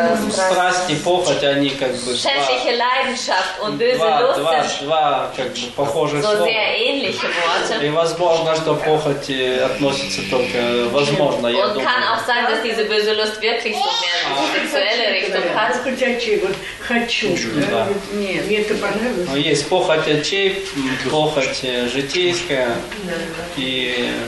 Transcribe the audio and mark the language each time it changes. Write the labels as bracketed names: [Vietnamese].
[Russian] Страсти, похоть, они как бы [German] Schändliche Leidenschaft und böse Lust. [Russian] Два как бы похожие слова. [German] So sehr ähnliche Worte. [Russian] И возможно, что похоть относится только возможно, я думаю. [German] Und kann auch sein, dass diese böse Lust wirklich so mehr in sexuelle Richtung hat. [Russian] Хотячий, вот хочу. Нет, мне это понравилось. Есть похоть отчей, похоть житейская и